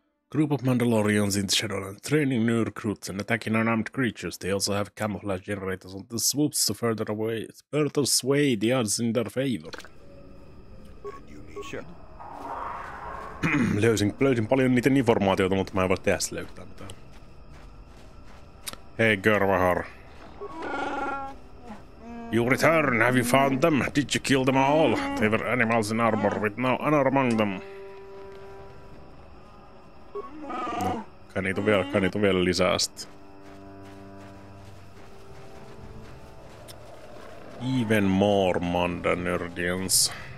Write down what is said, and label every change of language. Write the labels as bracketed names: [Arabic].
[English] Group of Mandalorians in the Shadowland training new recruits and attacking unarmed creatures. They also have camouflage generators on the swoops to further away, further sway the odds in their favor. [Finnish] Löysin paljon niiden informaatiota, mutta mä en voi tehdä sille yhtään mitään. [English] Hey, Gervahar. You return, have you found them? Did you kill them all? They were animals in armor with no honor among them. [Finnish] No, kai niitä on vielä lisää sitten. [English] Even more Mandanerdians.